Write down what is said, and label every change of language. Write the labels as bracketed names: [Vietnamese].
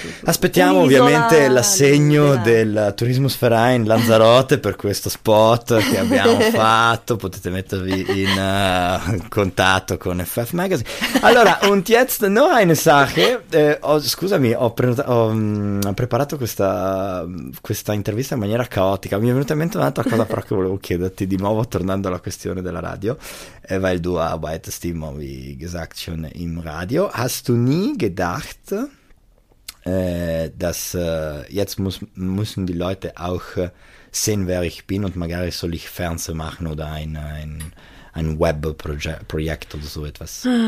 [Italian] Aspettiamo l'isola, ovviamente l'assegno del Turismus Verein Lanzarote per questo spot che abbiamo fatto. Potete mettervi in contatto con FF Magazine. [German] Allora, und jetzt noch eine Sache. [Italian] Ho preparato questa intervista in maniera caotica. Mi è venuta in mente un'altra cosa, però, che volevo chiederti di nuovo, tornando alla questione della radio. [German] Weil du arbeitest immer, wie gesagt, schon im Radio. Hast du nie gedacht, dass jetzt müssen die Leute auch sehen, wer ich bin und magari soll ich Fernsehen machen oder ein Webprojekt oder so etwas?